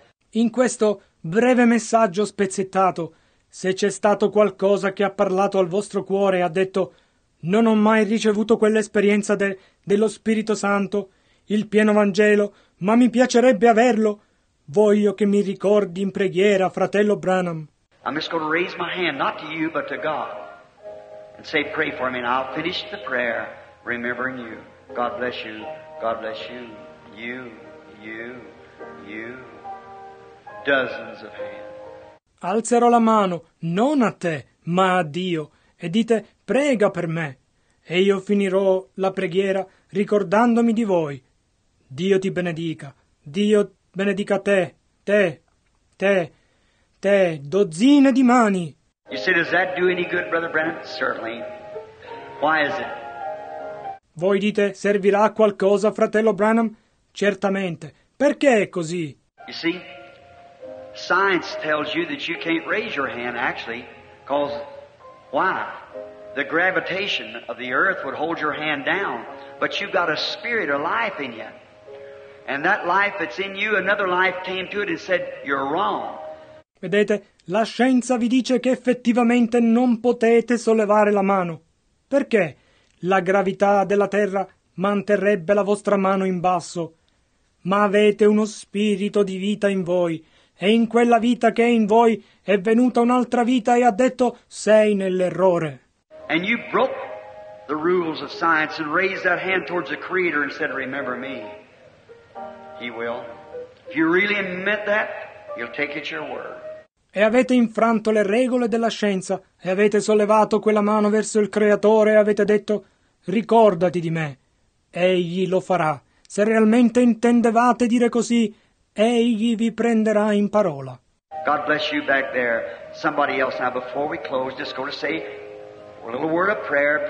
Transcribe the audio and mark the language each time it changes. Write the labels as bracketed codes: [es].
[it] In questo breve messaggio spezzettato, se c'è stato qualcosa che ha parlato al vostro cuore e ha detto non ho mai ricevuto quell'esperienza dello Spirito Santo, il pieno Vangelo, ma mi piacerebbe averlo, voglio che mi ricordi in preghiera, fratello Branham. [en] I'm just going to raise my hand, not to you, but to God, and say, pray for me, and I'll finish the prayer remembering you. God bless you. God bless you. You, you, you. Dozens of hands. [it] Alzerò la mano, non a te, ma a Dio, e dite, prega per me, e io finirò la preghiera ricordandomi di voi. Dio ti benedica. Dio benedica te, te, te. Te, dozzine di mani. [en] You say, does that do any good, Brother Branham? Certainly. Why is it? [it] Voi dite, servirà a qualcosa, fratello Branham? Certamente. Perché è così? [en] You see, science tells you that you can't raise your hand, actually, because, why? The gravitation of the earth would hold your hand down, but you've got a spirit of life in you. And that life that's in you, another life came to it and said, you're wrong. [it] Vedete, la scienza vi dice che effettivamente non potete sollevare la mano. Perché? La gravità della terra manterrebbe la vostra mano in basso. Ma avete uno spirito di vita in voi, e in quella vita che è in voi è venuta un'altra vita e ha detto sei nell'errore. [en] And you broke the rules of science and raised that hand towards the Creator and said, remember me. He will. If you really admit that, you'll take it your word. [it] E avete infranto le regole della scienza e avete sollevato quella mano verso il Creatore e avete detto ricordati di me. Egli lo farà. Se realmente intendevate dire così, egli vi prenderà in parola. [en] God bless you back there. Somebody else now before we close, just go to say a little word of prayer.